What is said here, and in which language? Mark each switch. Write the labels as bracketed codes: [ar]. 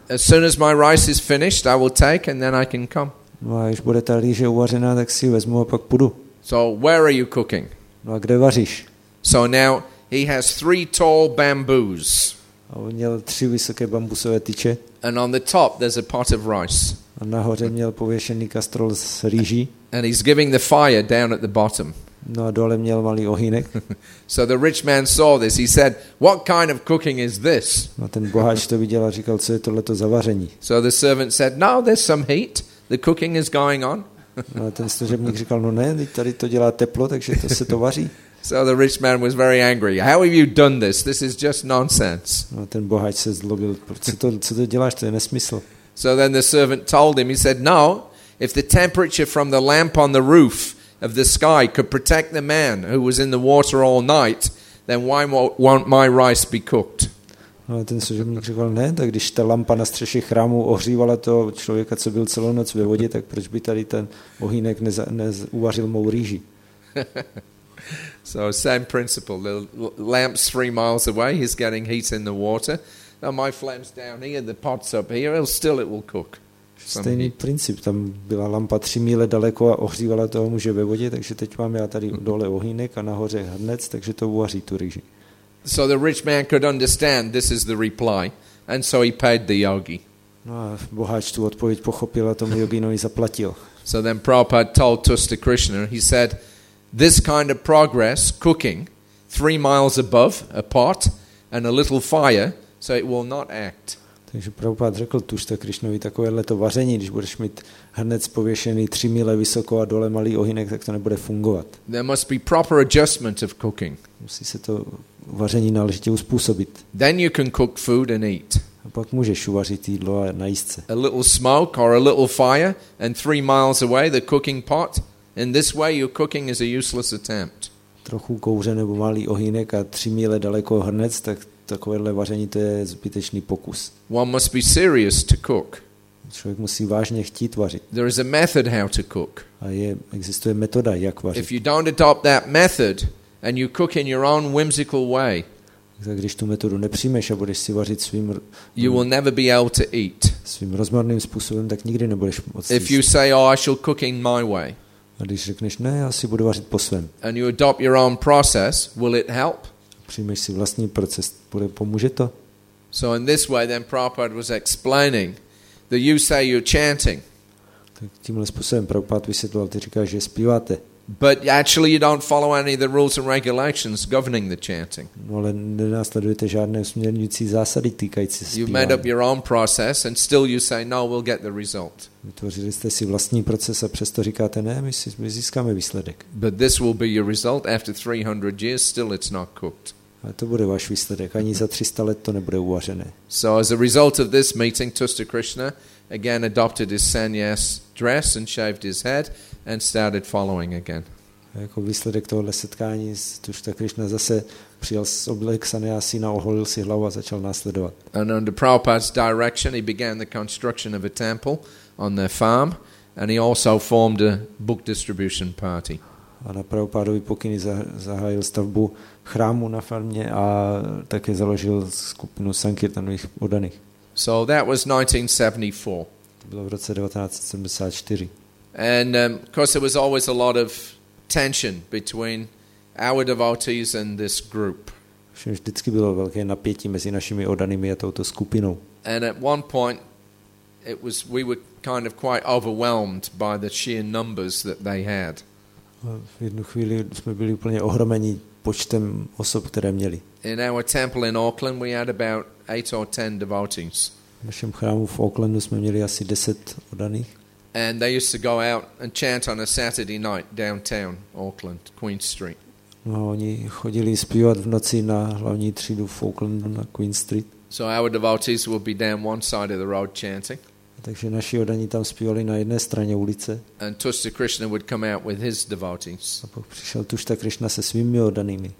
[en] As soon as my rice is finished, I will take and then I can come. [cs] No a když bude ta rýže uvařená, tak si ji vezmu a pak půjdu. [en] So where are you cooking? [cs] No a kde vaříš? [en] So now he has three tall bamboos. [cs] A on měl tři vysoké bambusové tyče. [en] And on the top there's a pot of rice. [cs] A nahoře měl pověšený kastrol s rýží. [en] And he's giving the fire down at the bottom. [cs] No a dole měl malý ohýnek. [en] So the rich man saw this. He said, "What kind of cooking is this?" [cs] No ten boháč to viděl a říkal, co je tohleto za vaření? [en] So the servant said, "No, there's some heat. The cooking is going on." [cs] No a ten služebník říkal, no ne, tady to dělá teplo, takže to se to vaří. [en] So the rich man was very angry. How have you done this? This is just nonsense. [cs] No a ten boháč se zlobil. Co to děláš? To je nesmysl. [en] So then the servant told him. He said, "No, if the temperature from the lamp on the roof of the sky could protect the man who was in the water all night, then why won't my rice be cooked?" [cs] No, ten služebník řekl, ne, tak když ta lampa na střeše chrámu ohřívala toho člověka, co byl celou noc ve vodě, tak proč by tady ten ohýnek neuvařil mou rýži? [en] So same principle, the lamp's 3 miles away, he's getting heat in the water. Now my flame's down here, the pot's up here, it will cook. [cs] Stejný princip, tam byla lampa 3 míle daleko a ohřívala toho muže ve vodě, takže teď mám já tady dole ohýnek a nahoře hrnec, takže to uvaří tu rýži. [en] So the rich man could understand this is the reply and so he paid the yogi. [cs] No a boháč tu odpověď pochopil a tomu yoginovi zaplatil. [en] So then Prabhupada told Tusta Krishna, he said, this kind of progress, cooking, 3 miles above, a pot and a little fire, so it will not act. [cs] Takže Prabhupada řekl Tušta Krišnovi, takovéhle to vaření, když budeš mít hrnec pověšený 3 míle vysoko a dole malý ohýnek, tak to nebude fungovat. [en] There must be proper adjustment of cooking. [cs] Musí se to vaření náležitě uspůsobit. [en] Then you can cook food and eat. [cs] A pak můžeš uvařit jídlo a najíst se. [en] A little smoke or a little fire and 3 miles away the cooking pot. In this way your cooking is a useless attempt. [cs] Trochu kouře nebo malý ohýnek a 3 míle daleko hrnec, tak takovéhle vaření, to je zbytečný pokus. [en] One must be serious to cook. [cs] Člověk musí vážně chtít vařit. [en] There is a method how to cook. [cs] A existuje metoda, jak vařit. [en] If you don't adopt that method and you cook in your own whimsical way, [cs] tak když tu metodu nepřijmeš a budeš si vařit svým, [en] you will never be able to eat. [cs] Svým rozmarným způsobem, tak nikdy nebudeš moct jíst. [en] If you say, oh, I shall cook in my way, [cs] a když řekneš, ne, já si budu vařit po svém, [en] and you adopt your own process, will it help? [cs] Přijmeš si vlastní proces, pomůže to? [en] So in this way then Prabhupada was explaining that you say you're chanting. [cs] Tak tímhle způsobem Prabhupada vysvětloval, ty říkáš, že zpíváte. [en] But actually you don't follow any of the rules and regulations governing the chanting. [cs] No, ale nenásledujete žádné směrnící zásady týkající se zpívání. [en] You made up your own process and still you say no, we'll get the result. [cs] Vytvořili jste si vlastní proces a přesto říkáte ne, my získáme výsledek. [en] But this will be your result after 300 years, still it's not cooked. [cs] A to bude váš výsledek. Ani za 300 let to nebude uvařené. [en] So as a result of this meeting, Tushar Krishna again adopted his sannyas dress and shaved his head and started following again. [cs] A jako výsledek tohoto setkání s Tushar Krishna zase přijel s oblek sannyasína, oholil si hlavu a začal následovat. [en] And under Prabhupada's direction, he began the construction of a temple on their farm, and he also formed a book distribution party. [cs] A na Prabhupádovi pokyny zahájil stavbu chrámu na farmě a také založil skupinu sankirtanových oddaných. [en] So that was 1974. [cs] To bylo v roce 1974. [en] And of course there was always a lot of tension between our devotees and this group. [cs] Vždycky bylo velké napětí mezi našimi oddanými a touto skupinou. [en] And at one point we were kind of quite overwhelmed by the sheer numbers that they had. [cs] V jednu chvíli jsme byli úplně ohromeni počtem osob, které měli. [en] In our temple in Auckland we had about 8 or 10 devotees. [cs] V našem chrámu v Aucklandu jsme měli asi 10 oddaných. [en] And they used to go out and chant on a Saturday night downtown Auckland, Queen Street. [cs] No, oni chodili zpívat v noci na hlavní třídu v Aucklandu na Queen Street. [en] So our devotees would be down one side of the road chanting. [cs] Takže naši oddaní tam zpívali na jedné straně ulice. [en] And Tushar Krishna would come out with his devotees. [cs] A pak přišel Tushar Krishna se svými oddanými.